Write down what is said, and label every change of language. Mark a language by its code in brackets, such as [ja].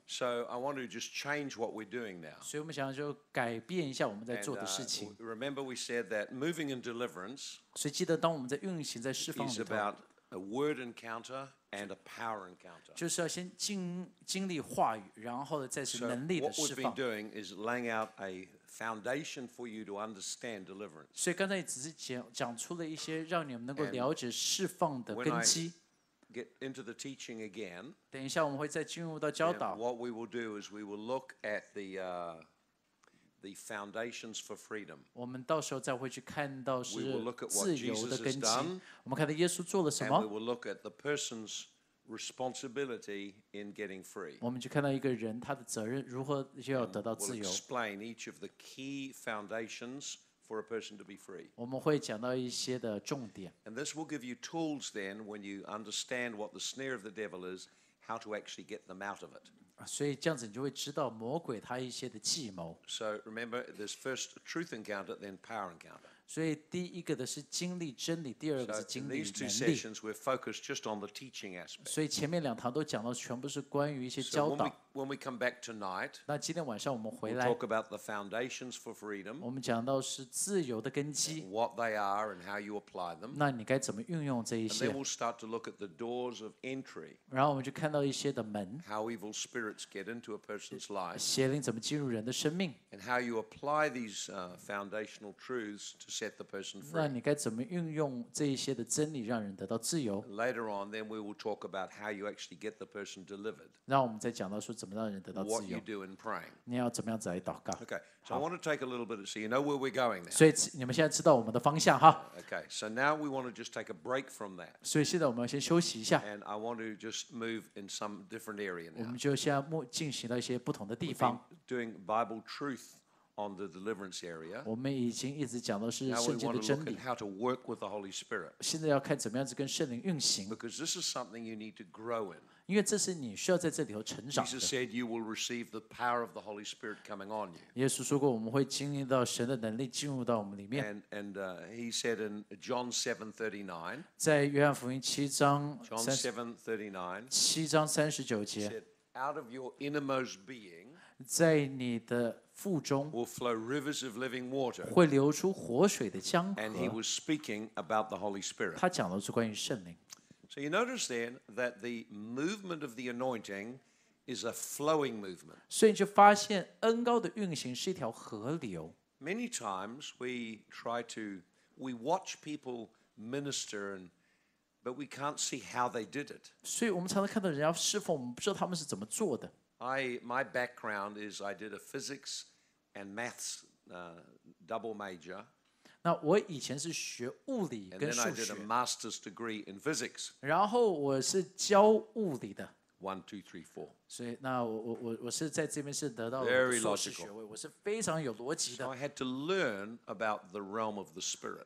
[en] So I want to just change what we're doing now. [zh] 所以我们想要就改变一下我们在做的事情。 [en] And, remember we said that moving in deliverance. [zh] 所以记得当我们在运行在释放里头。 [en] Is about a word encounter and a power encounter. [zh] 就是要先经历话语，然后再是能力的释放。 [en] So what we've been doing is laying out a foundation for you to understand deliverance. [zh] 所以刚才只是讲出了一些让你们能够了解释放的根基。 [en] Get into the teaching again. [zh] 等一下，我们会再进入到教导。 [en] What we will do is we will look at the foundations for freedom. [zh] 我们到时候再会去看到是自由的根基。我们看到耶稣做了什么。 [en] And we will look at the person's responsibility in getting free. [zh] 我们就看到一个人他的责任如何就要得到自由。 [en] We'll explain each of the key foundations. For a person to be free. [zh] 我们会讲到一些的重点。 [en] And this will give you tools then when you understand what the snare of the devil is, how to actually get them out of it. [zh] 所以这样子你就会知道魔鬼他一些的计谋。 [en] So remember, there's first truth encounter, then power encounter. [zh] 所以第一个的是经历真理，第二个是经历能力。 [en] So in these two sessions, we're focused just on the teaching aspect. [zh] 所以前面两堂都讲到全部是关于一些教导。 [en] When we come back tonight, [zh] 那今天晚上我们回来 [en] we'll talk about the foundations for freedom, [zh] 我们讲到是自由的根基 [en] what they are and how you apply them, [zh] 那你该怎么运用这一些 [en] and then we'll start to look at the doors of entry, [zh] 然后我们就看到一些的门 [en] how evil spirits get into a person's life, [zh] 邪灵怎么进入人的生命 [en] and how you apply these foundational truths to set the person free, [zh] 那你该怎么运用这一些的真理让人得到自由 [en] later on then we will talk about how you actually get the person delivered, [zh] 然后我们再讲到说怎么让人得到自由 [en] What you do in praying. [zh] 你要怎么样子来祷告 [en] Okay, so I want to take a little bit of, so you know where we're going now. [zh] 所以你们现在知道我们的方向哈 [en] Okay, so now we want to just take a break from that. [zh] 所以现在我们要先休息一下 [en] And I want to just move in some different area now. [zh] 我们就现在进行到一些不同的地方 [en] We've been doing Bible truth on the deliverance area. [zh] 我们已经一直讲到是圣经的真理 [en] Now we want to look at how to work with the Holy Spirit. [zh] 现在要看怎么样子跟圣灵运行 [en] Because this is something you need to grow in. [zh] 因为这是你需要在这里头成长的。 [en] Jesus said, "You will receive the power of the Holy Spirit coming on you." [zh] 耶稣说过，我们会经历到神的能力进入到我们里面。 [en] And he said in John 7:39, [zh] 在约翰福音七章 [en] John 7:39, [zh] 七章三十九节 [en] said, "Out of your innermost being, [zh] 在你的腹中 [en] will flow rivers of living water." [zh] 会流出活水的江河。 [en] And he was speaking about the Holy Spirit. [zh] 他讲的是关于圣灵。 [en] So you notice then that the movement of the anointing is a flowing movement. [zh] 所以你就发现恩膏的运行是一条河流。 [en] Many times we watch people minister, but we can't see how they did it. [zh] 所以我们常常看到人家侍奉，我们不知道他们是怎么做的。 [en] My background is I did a physics and maths double major. [zh] 那我以前是学物理跟数学。 [en] And then I did a master's degree in physics. [zh] 然后我是教物理的。 [en] 1, 2, 3, 4. [zh] 所以那我是在这边是得到硕士学位，我是非常有逻辑的。 [en] So I had to learn about the realm of the spirit.